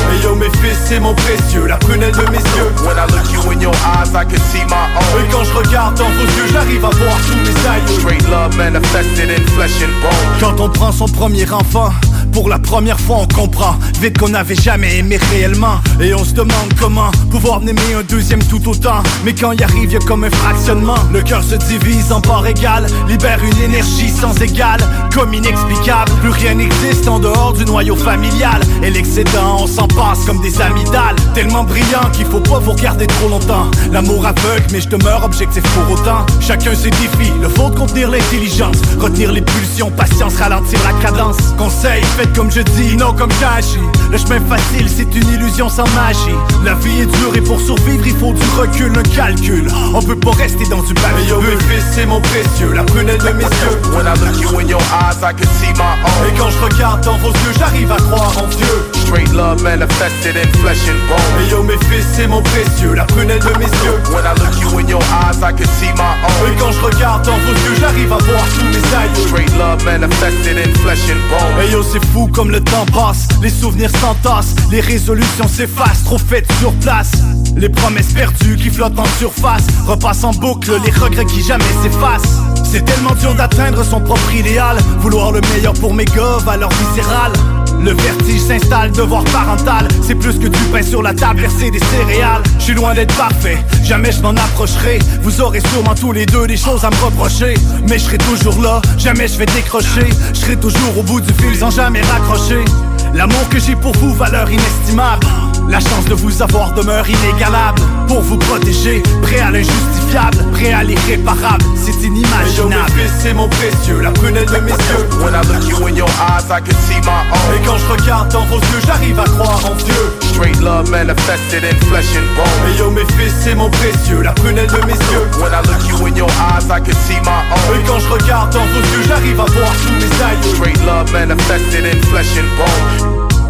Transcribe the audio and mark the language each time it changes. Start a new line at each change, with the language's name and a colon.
French: Hey yo, mes fils, c'est mon précieux, la prunelle de mes yeux.
English: When I look you in your eyes, I can see my own.
French: Et quand je regarde dans vos yeux, j'arrive à voir tous mes aïeux.
English: Straight love manifested in flesh and bone.
French: Quand on prend son premier enfant, pour la première fois on comprend, vite qu'on n'avait jamais aimé réellement. Et on se demande comment pouvoir n'aimer un deuxième tout autant. Mais quand y arrive, y'a comme un fractionnement. Le cœur se divise en parts égales, libère une énergie sans égale, comme inexplicable. Plus rien n'existe en dehors du noyau familial. Et l'excédent, on s'en passe comme des amygdales. Tellement brillant qu'il faut pas vous regarder trop longtemps. L'amour aveugle, mais je demeure objectif pour autant. Chacun ses défis, le faut de contenir l'intelligence. Retenir les pulsions, patience, ralentir la cadence. Conseil, faites comme je dis, non comme j'agis. Le chemin facile, c'est une illusion sans magie. La vie est dure et pour survivre, il faut du recul, un calcul. On peut pas rester dans du bas. Hey yo, mes fils, c'est mon précieux, la prunelle de mes yeux.
English: When I look you in your eyes, I can see my own.
French: Et quand je regarde dans vos yeux, j'arrive à croire en Dieu.
English: Straight love manifested in flesh and bone.
French: Hey yo, mes fils, c'est mon précieux, la prunelle de mes yeux.
English: When I look you in your eyes, I can see my own.
French: Et quand je regarde dans vos yeux, j'arrive à voir tous mes aïeux.
English: Straight love manifested in flesh and bone.
French: Hey yo, c'est fou comme le temps passe, les souvenirs s'entassent, les résolutions s'effacent, trop faites sur place. Les promesses perdues qui flottent en surface, repassent en boucle les regrets qui jamais s'effacent. C'est tellement dur d'atteindre son propre idéal, vouloir le meilleur pour mes gars, valeur viscérale. Le vertige s'installe, devoir parental, c'est plus que du pain sur la table, verser des céréales. Je suis loin d'être parfait, jamais je m'en approcherai. Vous aurez sûrement tous les deux des choses à me reprocher. Mais je serai toujours là, jamais je vais décrocher. Je serai toujours au bout du fil sans jamais raccrocher. L'amour que j'ai pour vous, valeur inestimable. La chance de vous avoir demeure inégalable. Pour vous protéger, prêt à l'injustifiable, prêt à l'irréparable, c'est inimaginable. Hey yo, mes fils, c'est mon précieux, la prunelle de mes yeux.
English: When I look you in your eyes, I can see my own.
French: Et quand je regarde dans vos yeux, j'arrive à croire en Dieu.
English: Straight love manifested in flesh and bone.
French: Hey yo, mes fils, c'est mon précieux, la prunelle de mes yeux.
English: When I look you in your eyes, I can see my own.
French: Et quand je regarde dans vos yeux, j'arrive à voir tous mes aïeux.
English: Straight love manifested in flesh and bone.